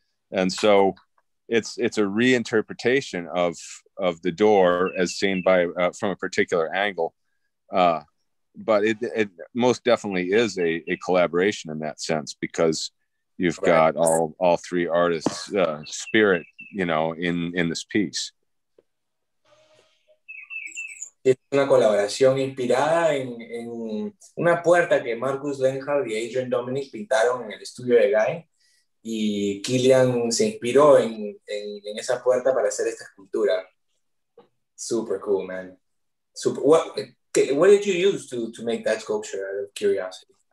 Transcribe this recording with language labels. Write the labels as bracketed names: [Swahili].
[English] And so it's a reinterpretation of the door as seen by from a particular angle. But it most definitely is a collaboration in that sense, because you've got all three artists' spirit, you know, in this piece. [Spanish] Es una colaboración inspirada en una puerta que Marcus Lenhardt y Adrian Dominic pintaron en el estudio de Guy, y Killian se inspiró en esa puerta para hacer esta escultura. [English] Super cool, man. Super. What did you use to make that sculpture, out of curiosity?